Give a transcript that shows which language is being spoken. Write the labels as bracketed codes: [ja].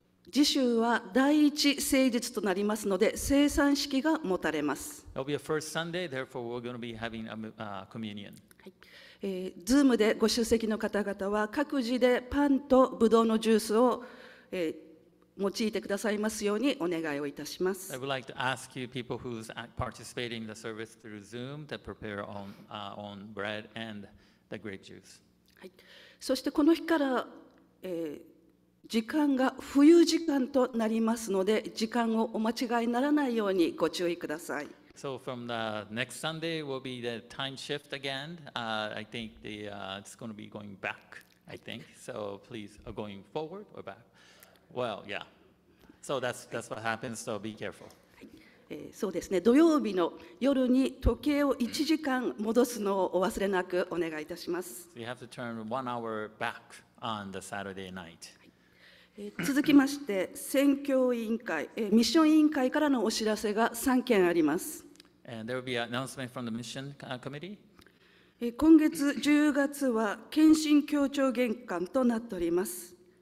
[ja] 次週は第一聖日となりますので、聖餐式が持たれます。 [en] It'll be a first Sunday, therefore we're going to be having a communion. [ja] Zoom でご出席の方々は各自でパンとブドウのジュースを、用いてくださいますようにお願いをいたします。 [en] I would like to ask you people who's participating in the service through Zoom to prepare on bread and the grape juice.、 [ja] はい、そしてこの日から、時間が冬時間となりますので、時間をお間違いにならないようにご注意ください。 [en] So from the next Sunday will be the time shift again. I think it's going to be going back, I think. So please, going forward or back? Well, yeah. So that's what happens, so be careful. [ja] そうですね。土曜日の夜に時計を1時間戻すのをお忘れなくお願いいたします。 [en] So you have to turn 1 hour back on the Saturday night. [ja] 続きまして、宣教委員会、ミッション委員会からのお知らせが3件あります。 [en] And there will be an announcement from the mission committee. [ja] 今月10月は献身強調月間となっております。